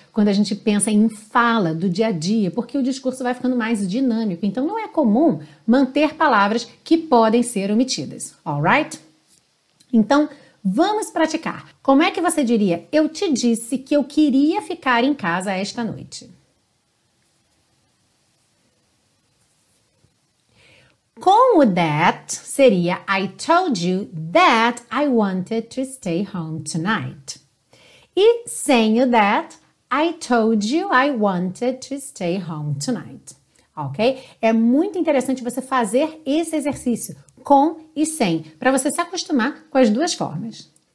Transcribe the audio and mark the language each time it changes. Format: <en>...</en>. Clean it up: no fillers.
<pt>Quando a gente pensa em fala do dia a dia, porque o discurso vai ficando mais dinâmico. Então, não é comum manter palavras que podem ser omitidas.</pt> <en>Alright?</en> <pt>Então, vamos praticar. Como é que você diria, eu te disse que eu queria ficar em casa esta noite? Com o that, seria,</pt> <en>I told you that I wanted to stay home tonight.</en> <pt>E sem o that,</pt> <en>I told you I wanted to stay home tonight.</en> <pt>Ok? É muito interessante você fazer esse exercício com e sem, para você se acostumar com as duas formas.</pt>